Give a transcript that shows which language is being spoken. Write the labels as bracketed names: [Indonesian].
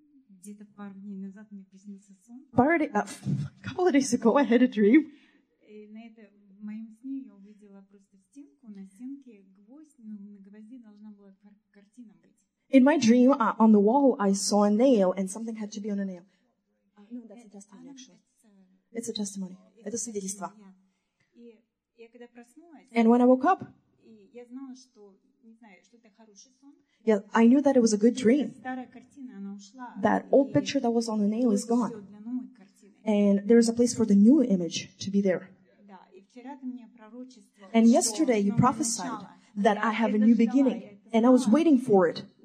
[Russian] Где-то пару дней назад мне приснился сон. [English] A couple of days ago, I had a dream. [Russian] И на это, в моем сне я увидела просто стенку, на стенке гвоздь, на гвозди должна была картина быть. [English] In my dream, on the wall, I saw a nail, and something had to be on a nail. No, that's a testimony, actually. It's a testimony. [Russian] Это свидетельство. Я когда проснулась, [English] and when I woke up, [Russian] я знала, что, не знаю, что это хороший сон. [English] Yeah, I knew that it was a good dream. [Russian] Старая картина, она ушла. [English] That old picture that was on the nail is gone. And there is a place for the new image to be there. [Russian] Да, и вчера ты мне пророчествовала. [English] And yesterday you prophesied that I have a new beginning, and I was waiting for it.